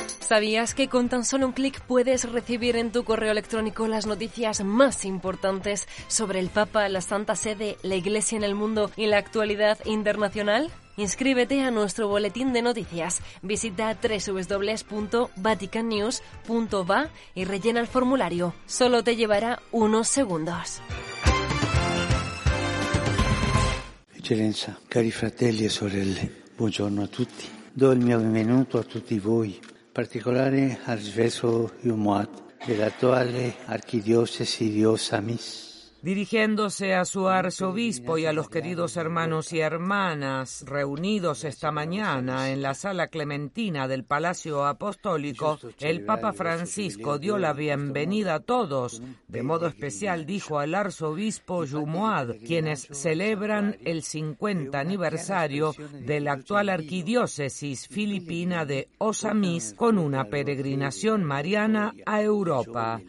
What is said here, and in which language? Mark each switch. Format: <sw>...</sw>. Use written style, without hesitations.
<es>¿Sabías que con tan solo un clic puedes recibir en tu correo electrónico las noticias más importantes sobre el Papa, la Santa Sede, la Iglesia en el mundo y la actualidad internacional? Inscríbete a nuestro boletín de noticias. Visita www.vaticannews.va y rellena el formulario. Solo te llevará unos segundos.</es> <it>Excelencia, cari fratelli e sorelle, buongiorno a tutti. Do il mio benvenuto a tutti voi. Particolare arcivescovo Yumoat dell'attuale arcidiocesi di Osamis.</it> <es>Dirigiéndose a su arzobispo y a los queridos hermanos y hermanas reunidos esta mañana en la Sala Clementina del Palacio Apostólico, el Papa Francisco dio la bienvenida a todos. De modo especial, dijo al arzobispo Jumoad, quienes celebran el 50 aniversario de la actual arquidiócesis filipina de Osamis con una peregrinación mariana a Europa.</es>